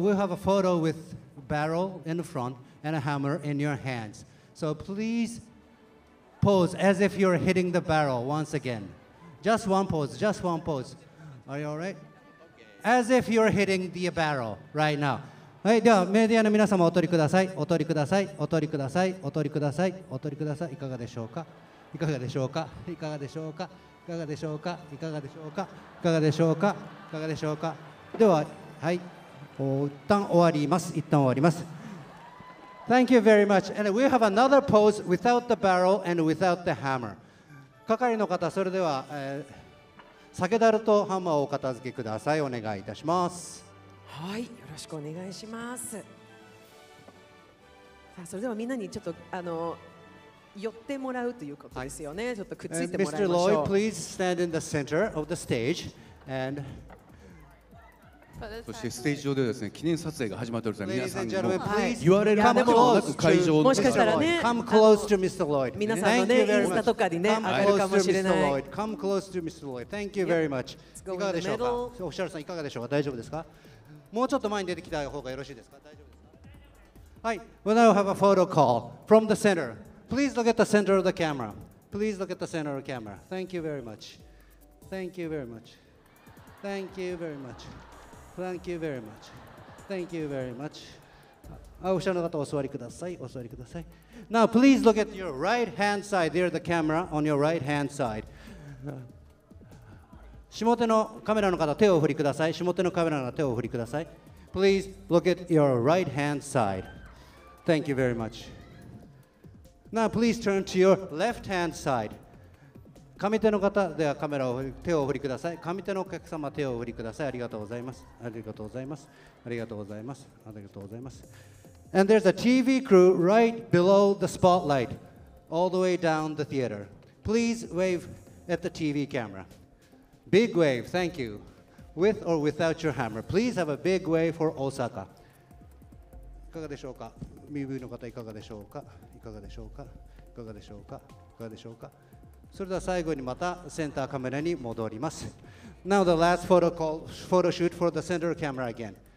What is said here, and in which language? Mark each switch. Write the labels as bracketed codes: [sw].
[en] We have a photo with barrel in the front and a hammer in your hands. So please pose as if you're hitting the barrel once again. Just one pose, just one pose. Are you all right? As if you're hitting the barrel right now. [ja] はい、ではメディアの皆様お取りください。お取りください。お取りください。お取りください。お取りください。いかがでしょうか。いかがでしょうか。いかがでしょうか。いかがでしょうか。いかがでしょうか。いかがでしょうか。いかがでしょうか。では、はい、一旦終わります。一旦終わります。 [en] Thank you very much. And we have another pose without the barrel and without the hammer. [ja] 係の方、それでは、酒だるとハンマーをお片付けください。お願いいたします。はい、よろしくお願いします。さあ、それではみんなにちょっと寄ってもらうということですよね。ちょっとくっついてもらいましょう。 [en] Mr. Lloyd, please stand in the center of the stage. And [ja] そしてステージ上でですね、記念撮影が始まっております。皆さんも、はい、言われるかもなく会場もしかしたらね、 [en] Come close to Mr. Lloyd. [ja] 皆さんのね、インスタとかにね、上がるかもしれない。 [en] Come close to Mr. Lloyd. Thank you very much. [ja] いかがでしょうか。オフィシャルさん、いかがでしょうか。大丈夫ですか。もうちょっと前に出てきた方がよろしいですか。はい、 [en] We now have a photo call from the center. Please look at the center of the camera. Please look at the center of the camera. Thank you very much. Thank you very much. Thank you very much. Thank you very much. Thank you very much. [ja] お後ろの方お座りください。お座りください。 [en] Now please look at your right hand side. There's the camera on your right hand side. [ja] 下手のカメラの方手を振りください。下手のカメラの方手を振りください。 [en] Please look at your right hand side. Thank you very much. Now please turn to your left hand side. [ja] 上手の方ではカメラを手を振りください。上手のお客様手を振りください。ありがとうございます。ありがとうございます。ありがとうございます。ありがとうございます。 [en] And there's a TV crew right below the spotlight, all the way down the theater. Please wave at the TV camera. Big wave, thank you. With or without your hammer, please have a big wave for Osaka. [ja] いかがでしょうか。 MV の方いかがでしょうか。いかがでしょうか。いかがでしょうか。いかがでしょうか。それでは最後にまたセンターカメラに戻ります。 [en] Now the last photo call, photo shoot for the center camera again.